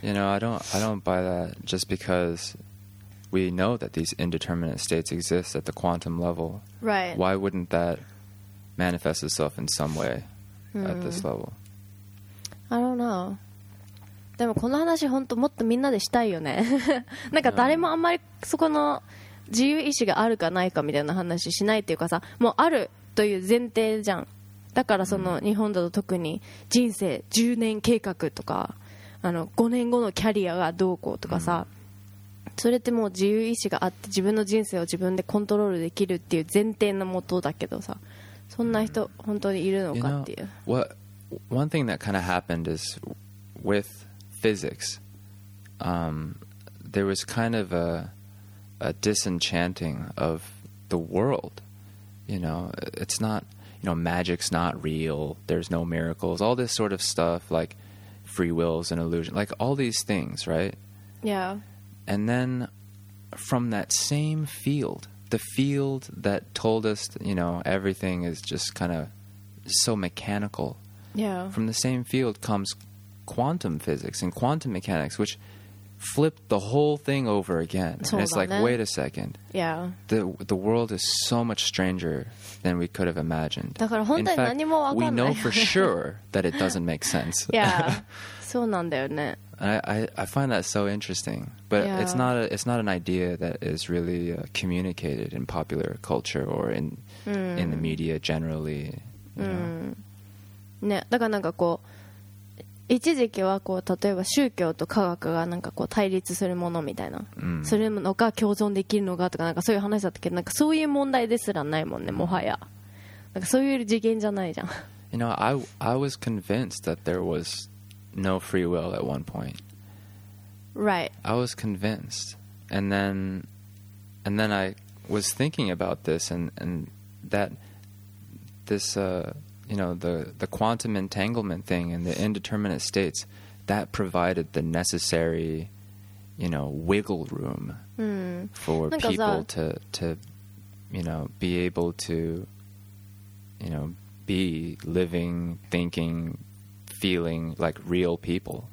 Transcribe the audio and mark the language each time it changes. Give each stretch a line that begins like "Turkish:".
English: You know, I don't buy that just because we know that these indeterminate states exist at the quantum level. Right. Why wouldn't that manifest itself in some way at this level? I don't know.
Japanese: でもこの話本当もっとみんなでしたいよね。なんか誰もあんまりそこの自由意志があるかないかみたいな話しないっていうかさ、もうあるという前提じゃん。だからその日本だと特に人生10年計画とか、あの5年後のキャリアがどうこうとかさ、それってもう自由意志があって自分の人生を自分でコントロールできるっていう前提のもとだけどさ、そんな人本当にいるのかっていう。
English: You know, one thing that kind of happened is withphysics, there was kind of a disenchanting of the world. You know, it's not, you know, magic's not real, there's no miracles, all this sort of stuff, like free will's an illusion, like all these things, right? Yeah. And then from that same field, the field that told us, you know, everything is just kind of so mechanical. Yeah. From the same field comes quantum physics and quantum mechanics, which flipped the whole thing over again. And it's like, wait a second. Yeah. The world is so much stranger than we could have imagined.
Japanese: だから本当に何も分かんない。
English: We know for sure that it doesn't make sense.
Japanese: Yeah. そうなんだよね。
English: I find that so interesting. But yeah. it's not an idea that is really communicated in popular culture or in the media generally.
Japanese: ね、だからなんかこう一時期はこう例えば宗教と科学がなんかこう対立するものみたいな、それのか共存できるのかとか、 なんかそういう話だったけど、 なんかそういう問題ですらないもんね、もはや。なんかそういう次元じゃないじゃん。
English: You know, I was convinced that there was no free will at one point. Right. I was convinced. And then I was thinking about this and that this... You know, the quantum entanglement thing and the indeterminate states, that provided the necessary, you know, wiggle room for people to, you know, be able to, you know, be living, thinking, feeling like real people.